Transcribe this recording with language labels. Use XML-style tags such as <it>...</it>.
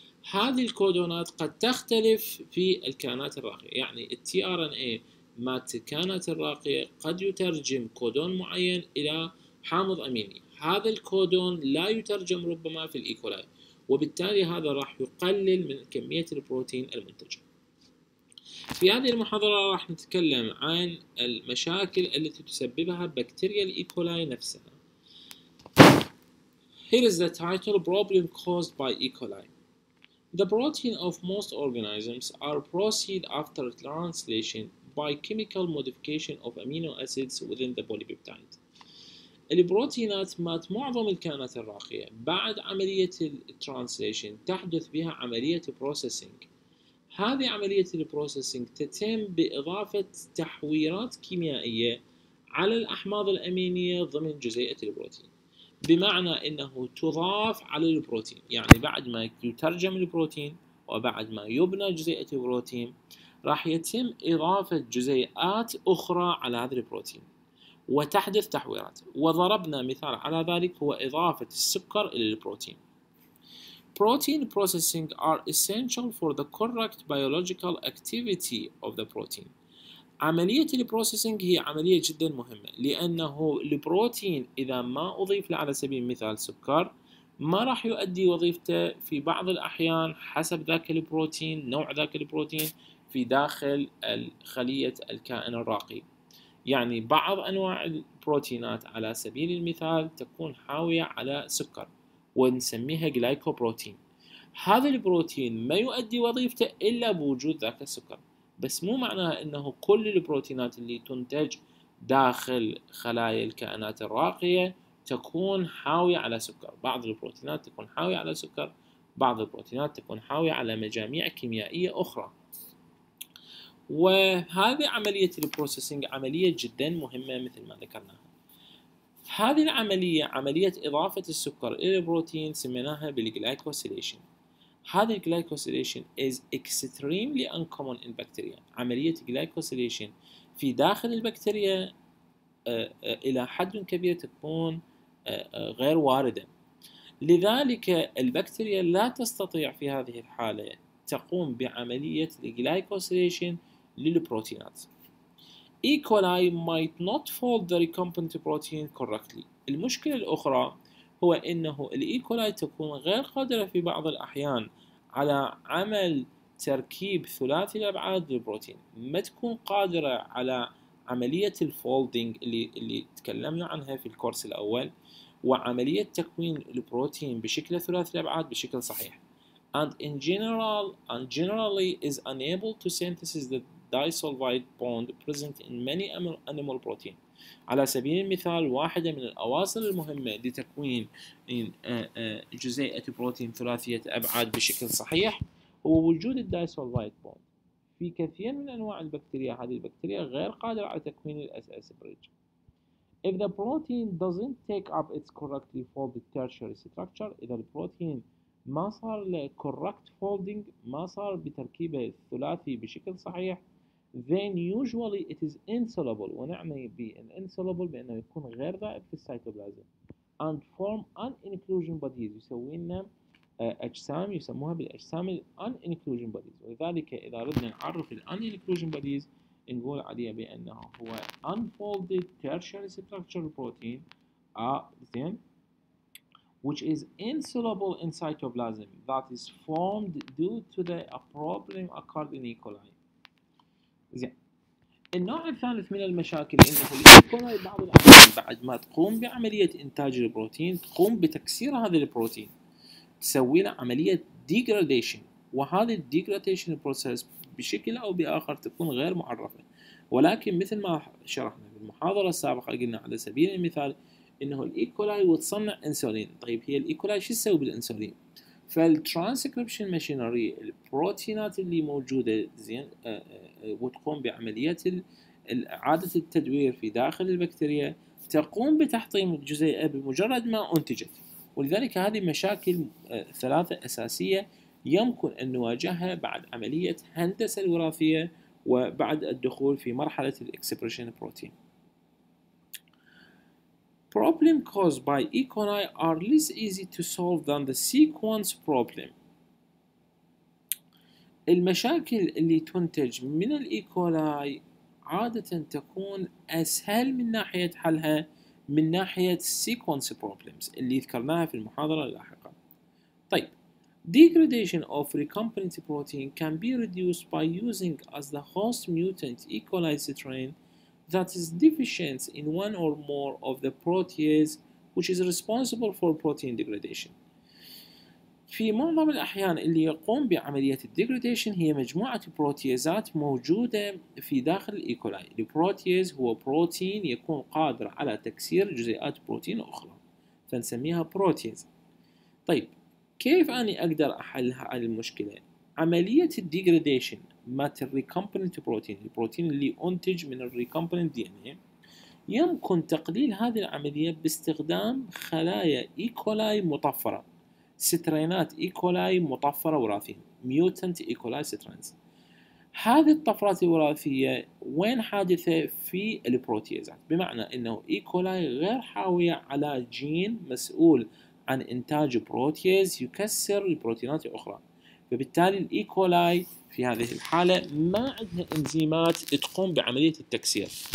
<ar>هذه الكودونات قد تختلف في الكائنات الراقية، يعني tRNA ما الكائنات الراقية قد يترجم كودون معين إلى حامض أميني، هذا الكودون لا يترجم ربما في الإيكولاي، وبالتالي هذا راح يقلل من كمية البروتين المنتجة. في هذه المحاضرة راح نتكلم عن المشاكل التي تسببها بكتيريا الإيكولاي نفسها.</ar> <en>Here is the title: Problem caused by E. coli. The protein of most organisms are processed after translation by chemical modification of amino acids within the polypeptide.</en> <ar>البروتينات مات معظم الكائنات الراقية بعد عملية الترانسليشن تحدث بها عملية processing. هذه عملية البروسيسنج تتم بإضافة تحويرات كيميائية على الأحماض الأمينية ضمن جزيئة البروتين، بمعنى أنه تضاف على البروتين، يعني بعد ما يترجم البروتين وبعد ما يبنى جزيئة البروتين راح يتم إضافة جزيئات أخرى على هذا البروتين وتحدث تحويرات. وضربنا مثال على ذلك هو إضافة السكر إلى البروتين.</ar> <en>Protein processing are essential for the correct biological activity of the protein.</en> <ar>عملية البروسيسنج هي عملية جدا مهمة، لأنه البروتين إذا ما أضيف له على سبيل المثال سكر ما راح يؤدي وظيفته في بعض الأحيان حسب ذاك البروتين، نوع ذاك البروتين في داخل خلية الكائن الراقي. يعني بعض أنواع البروتينات على سبيل المثال تكون حاوية على سكر ونسميها جلايكوبروتين، هذا البروتين ما يؤدي وظيفته إلا بوجود ذاك السكر، بس مو معناها أنه كل البروتينات اللي تنتج داخل خلايا الكائنات الراقية تكون حاوية على سكر. بعض البروتينات تكون حاوية على سكر، بعض البروتينات تكون حاوية على مجاميع كيميائية أخرى. وهذه عملية البروسيسنج عملية جدا مهمة مثل ما ذكرنا. هذه العملية عملية إضافة السكر إلى البروتين سميناها بالجلايكوسيليشن. هذه الجلايكوسيليشن</ar> <en>is extremely uncommon in bacteria.</en> <ar>عملية الجلايكوسيليشن في داخل البكتيريا إلى حد كبير تكون غير واردة. لذلك البكتيريا لا تستطيع في هذه الحالة تقوم بعملية الجلايكوسيليشن للبروتينات.</ar> <en>E. coli might not fold the recombinant protein correctly.</en> <ar>المشكلة الأخرى هو أنه الـ E. coli تكون غير قادرة في بعض الأحيان على عمل تركيب ثلاثي الأبعاد للبروتين، ما تكون قادرة على عملية الفولدينج اللي تكلمنا عنها في الكورس الأول، وعملية تكوين البروتين بشكل ثلاثي الأبعاد بشكل صحيح.</ar> <en>And in general and generally is unable to synthesize the disulfide bond present in many animal protein.</en> <ar>على سبيل المثال، واحدة من الأواصر المهمة لتكوين جزيئة بروتين ثلاثية أبعاد بشكل صحيح هو وجود الدايسولفايد بوند. في كثير من أنواع البكتيريا، هذه البكتيريا غير قادرة على تكوين الـ SS bridge.</ar> <en>If the protein doesn't take up its correctly folded tertiary structure،</en> <ar>إذا البروتين ما صار له correct folding، ما صار بتركيبه الثلاثي بشكل صحيح،</ar> <en>then usually it is insoluble.</en> <ar>ونعني بالـ insoluble بأنه يكون غير ذائب في السيتوبلازم.</ar> <en>And form an inclusion bodies،</en> <ar>يسوي لنا أجسام يسموها بالأجسام الـ</ar> <en>Un-Inclusion Bodies.</en> <ar>ولذلك إذا ردنا نعرف الـ</ar> <en>Un-Inclusion Bodies</en> <ar>نقول عليها بأنها هو</ar> <en>Unfolded Tertiary Structural Protein then, which is insoluble in cytoplasm that is formed due to the a problem occurred in E. coli.</en> <ar>النوع الثالث من المشاكل انه الـ E. coli بعض الأحيان بعد ما تقوم بعملية إنتاج البروتين تقوم بتكسير هذا البروتين، تسوي له عملية degradation، وهذه degradation process بشكل أو بآخر تكون غير معرفة. ولكن مثل ما شرحنا في المحاضرة السابقة، قلنا على سبيل المثال إنه الـ E. coli وتصنع إنسولين. طيب هي الـ E. coli شو تسوي بالإنسولين؟ فالترانسكريبشن ماشينري البروتينات اللي موجودة زين وتقوم بعمليات إعادة التدوير في داخل البكتيريا تقوم بتحطيم الجزيئة بمجرد ما أنتجت. ولذلك هذه مشاكل ثلاثة أساسية يمكن أن نواجهها بعد عملية هندسة الوراثية وبعد الدخول في مرحلة الـ Expression Protein.</ar> <en>Problems caused by E. coli are less easy to solve than the sequence problem.</en> <ar>المشاكل اللي تنتج من الـ E. coli عادة تكون أسهل من ناحية حلها من ناحية sequence problems اللي ذكرناها في المحاضرة اللاحقة.</ar> <en>طيب degradation of recombinant protein can be reduced by using as the host mutant E. coli strain that is deficient in one or more of the protease which is responsible for protein degradation.</en> <ar>في معظم الأحيان اللي يقوم بعملية degradation هي مجموعة بروتيازات موجودة في داخل الـ E.</ar> <en>coli.</en> <ar>الـ protease هو بروتين يكون قادر على تكسير جزيئات بروتين أخرى، فنسميها protease. طيب كيف أنا أقدر أحل هذه المشكلة؟ عملية degradation مات recombinant protein، البروتين اللي أنتج من الـ recombinant DNA، يمكن تقليل هذه العملية باستخدام خلايا E. coli مطفرة، سترينات E. coli مطفرة وراثية mutant E.</ar> <en>coli strains.</en> <ar>هذه الطفرات الوراثية وين حادثة؟ في البروتيازات، بمعنى أنه E. coli غير حاوية على جين مسؤول عن إنتاج بروتياز يكسر البروتينات الأخرى، فبالتالي E. coli في هذه الحالة ما عندها إنزيمات تقوم بعملية التكسير.</ar>